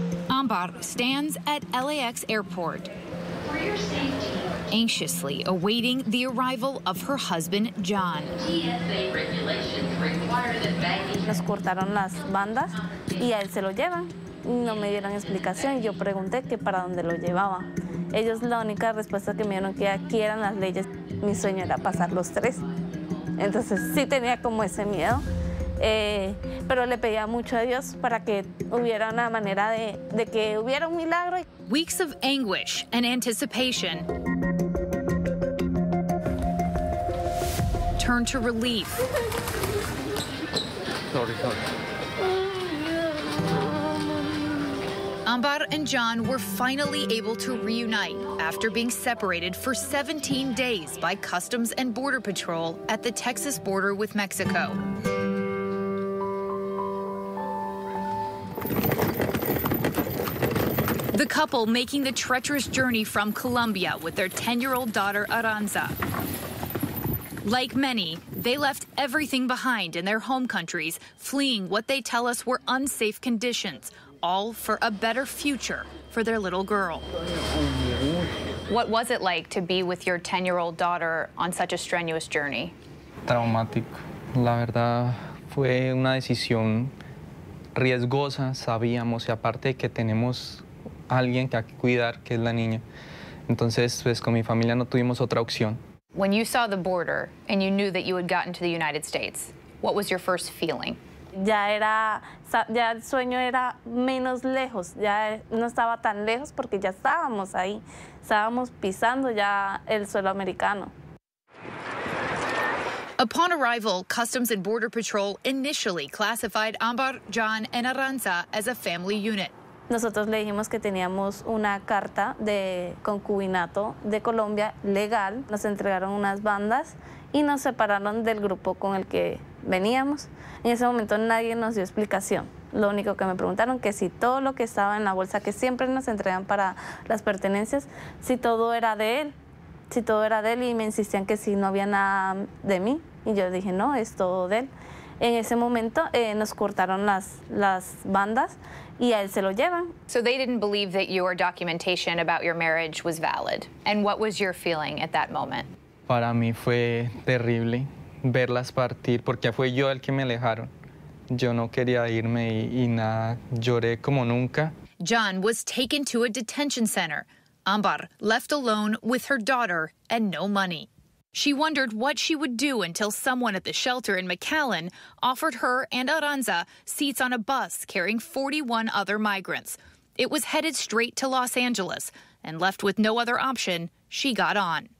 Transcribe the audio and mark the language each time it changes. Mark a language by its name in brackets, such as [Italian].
[English] Ambar stands at LAX Airport, anxiously awaiting the arrival of her husband, John. TSA regulations require that baggage. [Spanish] Nos cortaron las bandas y a él se lo llevan. No me dieron explicación. Yo pregunté que para dónde lo llevaba. Ellos la única respuesta que me dieron que aquí eran las leyes. Mi sueño era pasar los tres. Entonces sí tenía como ese miedo. Pero le pedía mucho a Dios para que hubiera una manera de que hubiera un milagro. [English] Weeks of anguish and anticipation turned to relief. Sorry. Ambar and John were finally able to reunite after being separated for 17 days by Customs and Border Patrol at the Texas border with Mexico. The couple making the treacherous journey from Colombia with their 10-year-old daughter, Aranza. Like many, they left everything behind in their home countries, fleeing what they tell us were unsafe conditions, all for a better future for their little girl. What was it like to be with your 10-year-old daughter on such a strenuous journey? Traumatic. [Spanish] La verdad, fue una decisión riesgosa, sabíamos, y aparte que tenemos alguien que hay que cuidar, que es la niña. Entonces, pues, con mi familia no tuvimos otra opción. [English] When you saw the border and you knew that you had gotten to the United States, what was your first feeling? [Spanish] Ya era, ya el sueño era menos lejos. Ya no estaba tan lejos porque ya estábamos ahí. Estábamos pisando ya el suelo americano. [English] Upon arrival, Customs and Border Patrol initially classified Ambar, John, and Aranza as a family unit. [Spanish] Nosotros le dijimos que teníamos una carta de concubinato de Colombia legal. Nos entregaron unas bandas y nos separaron del grupo con el que veníamos. En ese momento nadie nos dio explicación. Lo único que me preguntaron que si todo lo que estaba en la bolsa que siempre nos entregan para las pertenencias, si todo era de él, si todo era de él, y me insistían que si no había nada de mí. Y yo dije, no, es todo de él. En ese momento nos cortaron las bandas y a él se lo llevan. [English] So they didn't believe that your documentation about your marriage was valid. And what was your feeling at that moment? [Spanish] Para mí fue terrible verlas partir porque fue yo el que me alejaron. Yo no quería irme y nada, lloré como nunca. [English] John was taken to a detention center. Ambar left alone with her daughter and no money. She wondered what she would do until someone at the shelter in McAllen offered her and Aranza seats on a bus carrying 41 other migrants. It was headed straight to Los Angeles, and left with no other option, she got on.